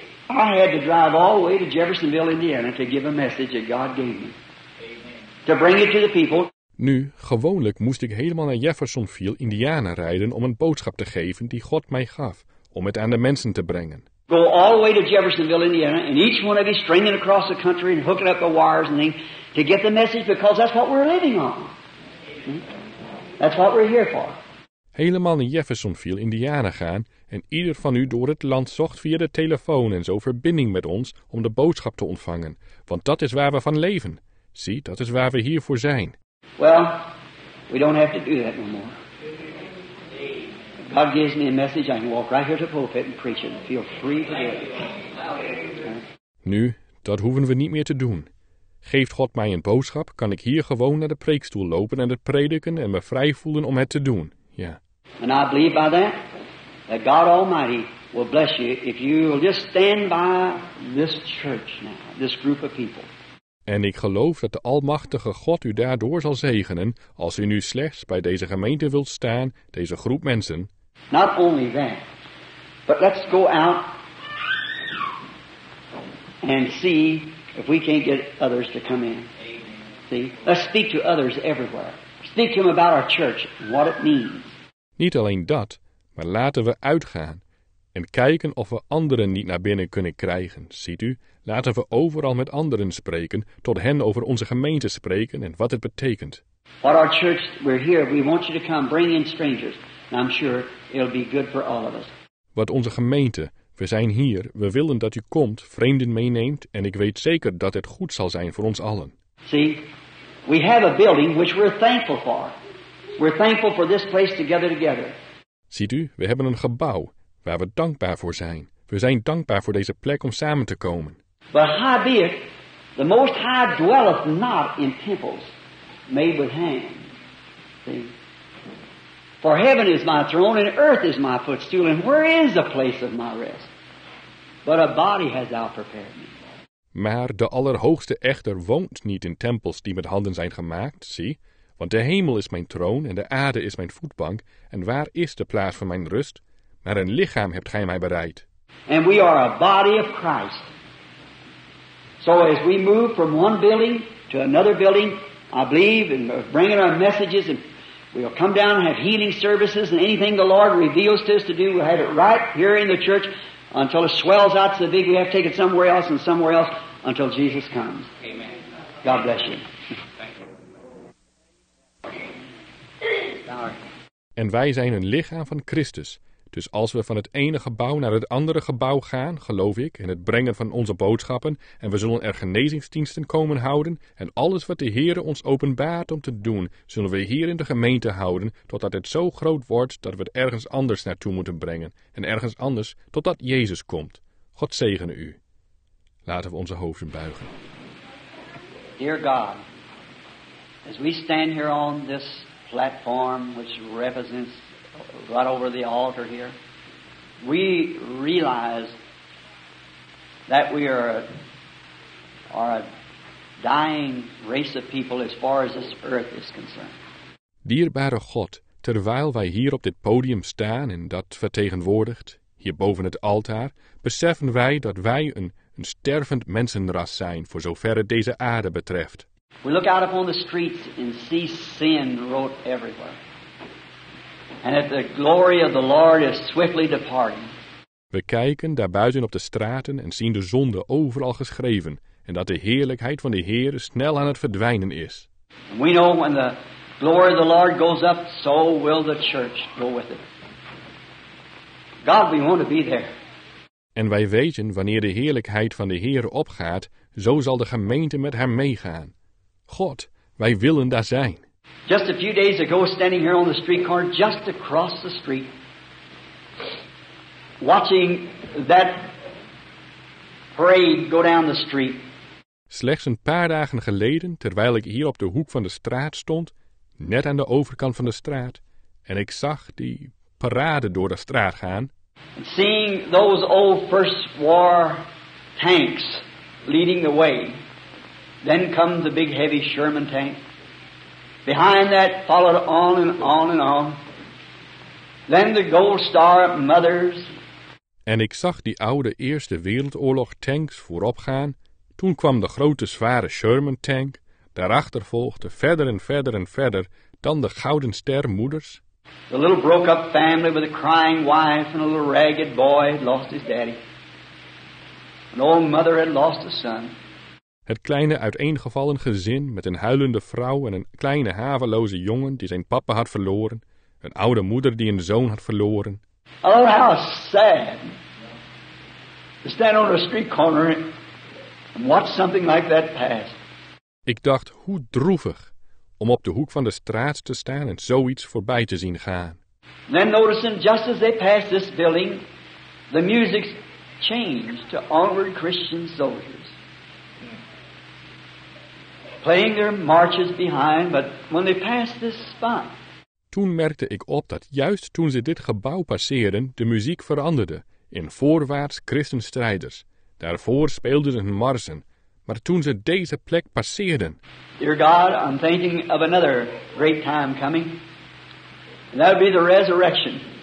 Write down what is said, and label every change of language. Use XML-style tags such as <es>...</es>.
<en>I had to drive all the way to Jeffersonville, Indiana, to give a message that God gave me. Amen. To bring it to the people.</en> <nl>Nu, gewoonlijk moest ik helemaal naar Jeffersonville, Indiana rijden om een boodschap te geven die God mij gaf, om het aan de mensen te brengen.</nl> <en>Go all the way to Jeffersonville, Indiana, and each one of you stringing across the country and hooking up the wires and things to get the message, because that's what we're living on. That's what we're here for.</en> <nl>Helemaal in Jeffersonville, Indiana gaan, en ieder van u door het land zocht via de telefoon en zo verbinding met ons om de boodschap te ontvangen, want dat is waar we van leven. Zie, dat is waar we hier voor zijn.</nl> <en>Well, we don't have to do that no more. God gives me a message, I can walk right here to the pulpit and preach it and feel free to do it.</en> <nl>Nu, dat hoeven we niet meer te doen. Geeft God mij een boodschap, kan ik hier gewoon naar de preekstoel lopen en het prediken en me vrij voelen om het te doen. Ja.</nl> <en>And I believe by that, that God Almighty will bless you if you will just stand by this church now, this group of people.</en> <nl>En ik geloof dat de Almachtige God u daardoor zal zegenen als u nu slechts bij deze gemeente wilt staan, deze groep mensen.</nl> <en>Not only that, but let's go out and see if we can't get others to come in. See? Let's speak to others everywhere. Speak to them about our church, what it means.</en> <nl>Niet alleen dat, maar laten we uitgaan en kijken of we anderen niet naar binnen kunnen krijgen, ziet u? Laten we overal met anderen spreken, tot hen over onze gemeente spreken en wat het betekent.</nl> <en>What our church, we're here, we want you to come, bring in strangers. And I'm sure it'll be good for all of us.</en> <nl>Wat onze gemeente, we zijn hier, we willen dat u komt, vreemden meeneemt, en ik weet zeker dat het goed zal zijn voor ons allen.</nl> <en>See, we have a building which we're thankful for. We're thankful for this place together.</en> <nl>Ziet u, we hebben een gebouw waar we dankbaar voor zijn. We zijn dankbaar voor deze plek om samen te komen.</nl> <en>But howbeit, the Most High dwelleth not in temples made with hands. See? For heaven is my throne and earth is my footstool, and where is the place of my rest? But a body has thou prepared me.</en> <nl>Maar de Allerhoogste echter woont niet in tempels die met handen zijn gemaakt, zie. Want de hemel is mijn troon en de aarde is mijn voetbank. En waar is de plaats van mijn rust? Maar een lichaam hebt gij mij bereid.</nl> <en>And we are a body of Christ. So as we move from one building to another building, I believe, and bringing our messages, and we'll come down and have healing services, and anything the Lord reveals to us to do, we'll have it right here in the church until it swells out to the big. We have to take it somewhere else and somewhere else until Jesus comes. Amen. God bless you.</en> <nl>En wij zijn een lichaam van Christus. Dus als we van het ene gebouw naar het andere gebouw gaan, geloof ik, in het brengen van onze boodschappen, en we zullen er genezingsdiensten komen houden, en alles wat de Heere ons openbaart om te doen, zullen we hier in de gemeente houden, totdat het zo groot wordt dat we het ergens anders naartoe moeten brengen, en ergens anders totdat Jezus komt. God zegene u. Laten we onze hoofden buigen.</nl> <en>Dear God, as we stand here on this platform which represents right over the altar here, we realize that we are a dying race of people as far as this earth is concerned.</en> <nl>Dierbare God, terwijl wij hier op dit podium staan en dat vertegenwoordigt, hier boven het altaar, beseffen wij dat wij een stervend mensenras zijn voor zover het deze aarde betreft.</nl> <en>We look out upon the streets and see sin wrote everywhere. And that the glory of the Lord is swiftly departing.</en> <nl>We kijken daar buiten op de straten en zien de zonde overal geschreven. En dat de heerlijkheid van de Heer snel aan het verdwijnen is.</nl> <en>And we know when the glory of the Lord goes up, so will the church go with it. God, we want to be there.</en> <nl>En wij weten wanneer de heerlijkheid van de Heer opgaat, zo zal de gemeente met haar meegaan. God, wij willen daar zijn.</nl> <en>Just a few days ago, standing here on the street corner, just across the street, watching that parade go down the street.</en> <nl>Slechts een paar dagen geleden, terwijl ik hier op de hoek van de straat stond, net aan de overkant van de straat, en ik zag die parade door de straat gaan.</nl> <en>And seeing those old First War tanks leading the way. Then comes the big heavy Sherman tank. Behind that followed on and on and on. Then the Gold Star Mothers.</en> <nl>En ik zag die oude Eerste Wereldoorlog tanks voorop gaan. Toen kwam de grote zware Sherman tank. Daarachter volgde verder en verder en verder dan de Gouden Ster Moeders.</nl> <en>The little broke up family with a crying wife and a little ragged boy had lost his daddy. An old mother had lost a son.</en> <nl>Het kleine uiteengevallen gezin met een huilende vrouw en een kleine haveloze jongen die zijn papa had verloren. Een oude moeder die een zoon had verloren.</nl> <en>Oh, how sad. To stand on a street corner and watch something like that pass.</en> <nl>Ik dacht, hoe droevig om op de hoek van de straat te staan en zoiets voorbij te zien gaan.</nl> <en>Then noticing, just as they passed this building, the music changed to Onward Christian Soldiers. Playing their marches behind, but when they passed this spot.</en> <nl>Toen merkte ik op dat juist toen ze dit gebouw passeerden, de muziek veranderde in voorwaarts christenstrijders. Daarvoor speelden hun marsen, maar toen ze deze plek passeerden.</nl> <en>Dear God, I'm thinking of another great time coming. And that would be the resurrection.</en>